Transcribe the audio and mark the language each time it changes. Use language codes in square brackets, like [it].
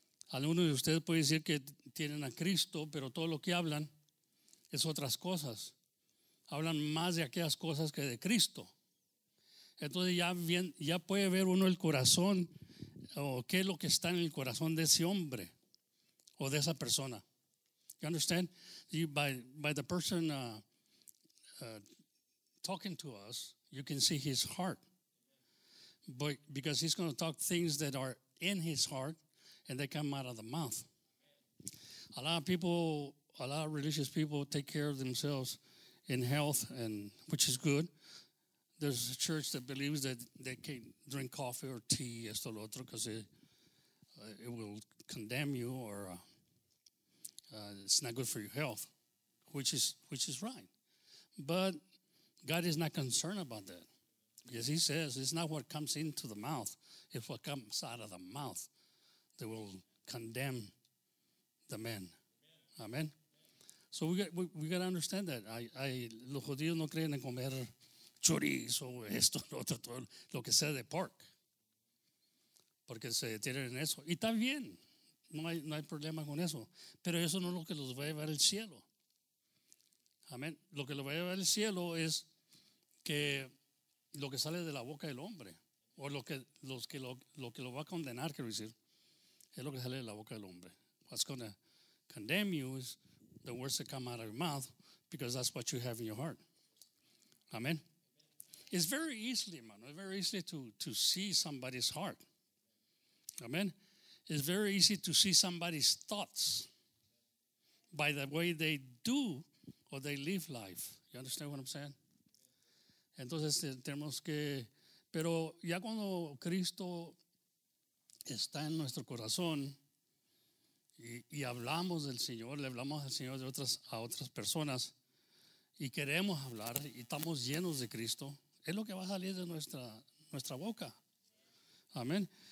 [es] Alguno de ustedes puede decir que tienen a Cristo, pero todo lo que hablan es otras cosas. Hablan más de aquellas cosas que de Cristo. Entonces ya puede ver uno el corazón, o qué es lo que está en el corazón de ese hombre o de esa persona. [en] You understand? By the person talking to us, you can see his heart. But because he's going to talk things that are in his heart and they come out of the mouth. A lot of religious people take care of themselves in health, and which is good. There's a church that believes that they can't drink coffee or tea, [es] esto lo otro, [en] because it will condemn you, or it's not good for your health, which is right. But God is not concerned about that, because he says it's not what comes into the mouth, it's what comes out of the mouth that will condemn the man. Amen. So we got to understand that. [es] Los judíos no creen en comer chorizo, esto, lo otro, todo, lo que sea de pork. Porque se detienen en eso. Y está bien, no hay problema con eso. Pero eso no es lo que los va a llevar al cielo. Amén. Lo que los va a llevar al cielo es que lo que sale de la boca del hombre, o lo que lo va a condenar, quiero decir, es lo que sale de la boca del hombre. [en] What's going to condemn you is the words that come out of your mouth, because that's what you have in your heart. Amen. It's very easy, man. It's very easy to see somebody's heart. Amen. It's very easy to see somebody's thoughts by the way they do or they live life. You understand what I'm saying? [es] Entonces tenemos que, pero ya cuando Cristo está en nuestro corazón, y hablamos del Señor, le hablamos al Señor a otras personas, y queremos hablar, y estamos llenos de Cristo, es lo que va a salir de nuestra boca. Amén.